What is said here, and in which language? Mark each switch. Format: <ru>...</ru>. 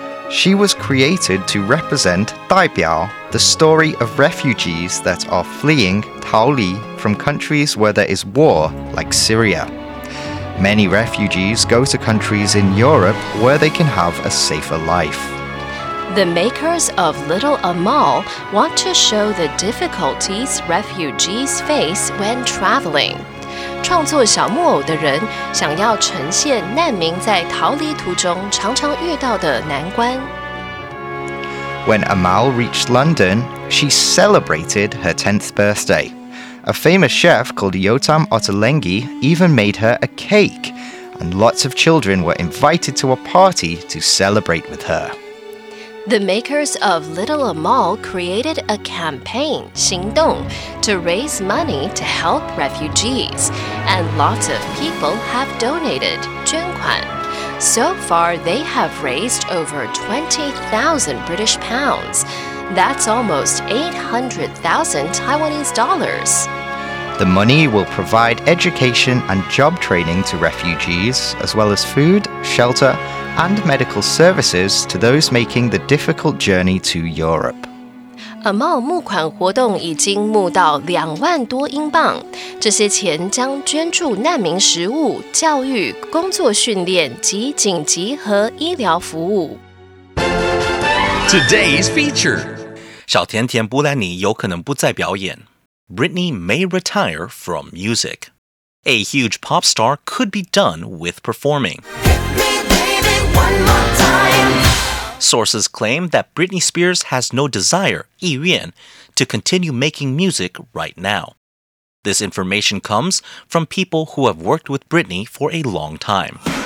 <en>She was created to represent 代表, the story of refugees that are fleeing 逃离, from countries where there is war, like Syria. Many refugees go to countries in Europe where they can have a safer life. The makers of Little Amal want to show the difficulties refugees face when traveling.</en> <zh>创作小木偶的人想要呈现难民在逃离途中常常遇到的难关。</zh> <en>When Amal reached London, she celebrated her 10th birthday. A famous chef called Yotam Ottolenghi even made her a cake, and lots of children were invited to a party to celebrate with her. The makers of Little Amal created a campaign, 行动, to raise money to help refugees, and lots of people have donated, 捐款. So far, they have raised over 20,000 British pounds. That's almost 800,000 Taiwanese dollars. The money will provide education and job training to refugees, as well as food, shelter, and medical services to those making the difficult journey to Europe.</en> <zh>Amal 募款活动已经募到20,000多英镑，这些钱将捐助难民食物、教育、工作训练及紧急和医疗服务。</zh> <en>Today's feature：</en> <zh>小甜甜布兰妮有可能不再表演。</zh> <en>Britney may retire from music. A huge pop star could be done with performing. Hit me, baby, one more time. Sources claim that Britney Spears has no desire, 意愿, to continue making music right now. This information comes from people who have worked with Britney for a long time.</en>